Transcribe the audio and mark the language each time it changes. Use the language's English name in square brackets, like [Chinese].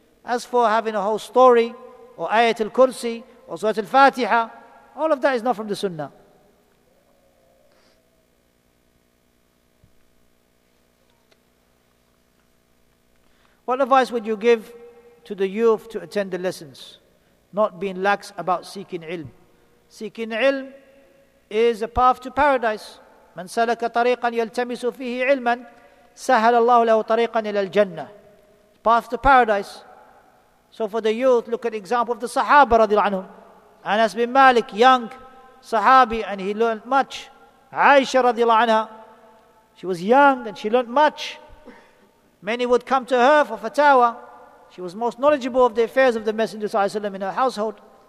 [English] As for having a whole story, or ayat al-kursi, or surat al-fatiha, all of that is not from the sunnah. What advice would you give to the youth to attend the lessons, not being lax about seeking ilm? Seeking ilm is a path to paradise. [Arabic] من سلك طريقا يلتمس فيه علما سهل الله له طريقا إلى الجنة. [English] Path to paradise. So for the youth, look at the example of the Sahaba رضي الله عنهم. Anas bin Malik, young Sahabi, and he learned much. Aisha رضي الله عنها, she was young and she learned much. Many would come to her for fatawa. She was most knowledgeable of the affairs of the Messenger صلى الله عليه وسلم in her household.